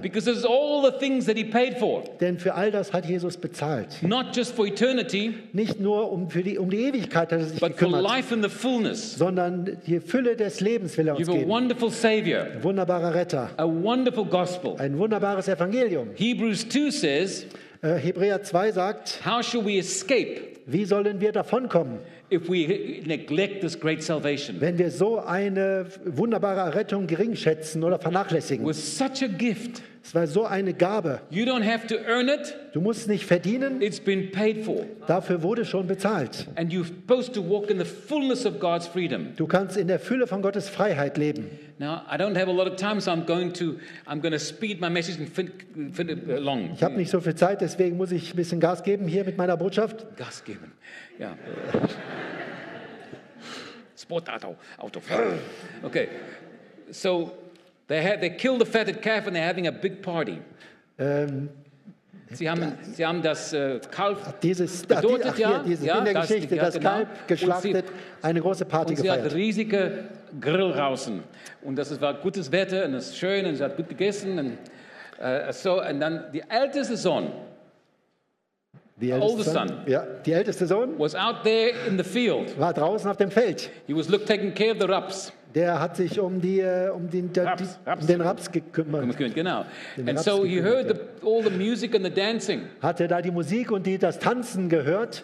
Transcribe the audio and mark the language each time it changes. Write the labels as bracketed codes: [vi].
[en] Because it's all the things that he paid for. [de] Denn für all das hat Jesus bezahlt. [en] Not just for eternity, [de] nicht nur um die Ewigkeit hat er sich [en] but [de] gekümmert, [en] for life in the fullness. [de] Sondern die Fülle des Lebens will er uns [en] you have [de] geben. [en] A wonderful Savior, [de] wunderbarer Retter. [en] A wonderful gospel. [de] Ein wunderbares Evangelium. [en] Hebrews 2 says, [de] Hebräer 2 sagt, [en] how shall we escape? [de] Wie sollen wir davonkommen? [en] If we neglect this great salvation, [de] wenn wir so eine wunderbare Errettung geringschätzen oder vernachlässigen, [en] with such a gift, [de] es war so eine Gabe. [en] You don't have to earn it. [de] Du musst es nicht verdienen. [en] It's been paid for. [de] Dafür wurde schon bezahlt. [en] And you're supposed to walk in the fullness of God's freedom. [de] Du kannst in der Fülle von Gottes Freiheit leben. [en] Now I don't have a lot of time, so I'm going to speed my message and finish along. [de] Ich habe nicht so viel Zeit, deswegen muss ich ein bisschen Gas geben hier mit meiner Botschaft. Gas geben. Ja. Sportauto. Okay. [en] So they killed the fatted calf and they're having a big party. [de] Sie haben das Kalb getötet, ja? Dieses in der Geschichte, das Kalb geschlachtet, eine große Party gefeiert. Und sie hat riesige Grill draußen. Und das war gutes Wetter und es ist schön und sie hat gut gegessen. Und dann der älteste Sohn, Die älteste Sohn [en] was out there in the field. [de] War draußen auf dem Feld. [en] He was taking care of the raps. [de] Der hat sich um den Raps gekümmert. Genau. [en] And so he heard all the music and the dancing. [de] Hat er da die Musik und das Tanzen gehört?